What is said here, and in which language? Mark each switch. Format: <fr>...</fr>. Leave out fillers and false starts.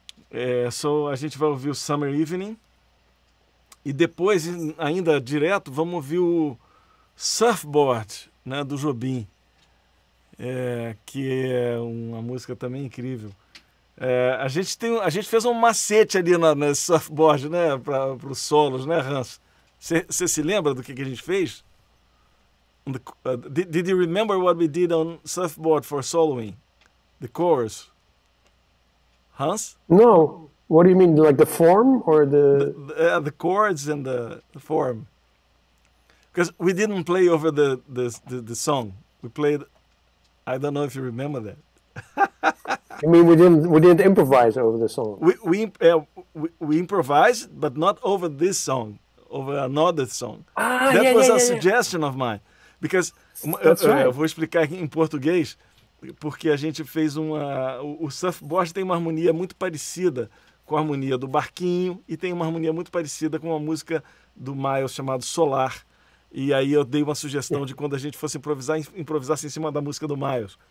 <pt>A gente vai ouvir o Summer Evening e depois, ainda direto, vamos ouvir o Surfboard, né, do Jobim, que é uma música também incrível. A gente fez um macete ali na surfboard, né, para os solos, né, Hans? Você se lembra do que a gente fez?</pt> <en>Did you remember what we did on surfboard for soloing? The chorus? Hans? No. What do you mean, like the form or the... The chords and the form. Because we didn't play over the song. We played... I don't know if you remember that. You mean we didn't improvise over the song? We improvised, but not over this song, over another song. That was a suggestion of mine. Because, right.</en> <pt>Eu vou explicar aqui em português, porque a gente fez uma... O surfboard tem uma harmonia muito parecida com a harmonia do barquinho e tem uma harmonia muito parecida com uma música do Miles chamada Solar. E aí eu dei uma sugestão de quando a gente fosse improvisar em cima da música do Miles.</pt>